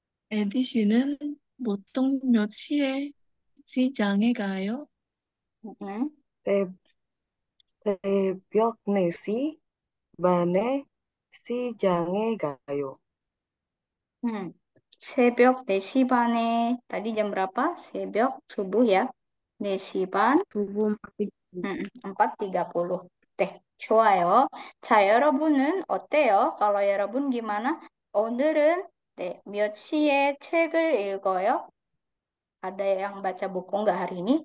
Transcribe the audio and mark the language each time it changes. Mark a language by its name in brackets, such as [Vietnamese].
[Korean] 에디 씨는 보통 몇 시에 시장에 가요? 새벽 4시 반에 시장에 가요. 새벽 4시 반에 [Indonesian] tadi jam berapa? [Korean] 새벽 [Indonesian] subuh ya. [Korean] 4시 반. 4:30. 네, 좋아요. 자, 여러분은 어때요? 그럼 여러분 [Indonesian] gimana? [Korean] 오늘은 네, 몇 시에 책을 읽어요? [Indonesian] Ada yang baca buku nggak hari ini?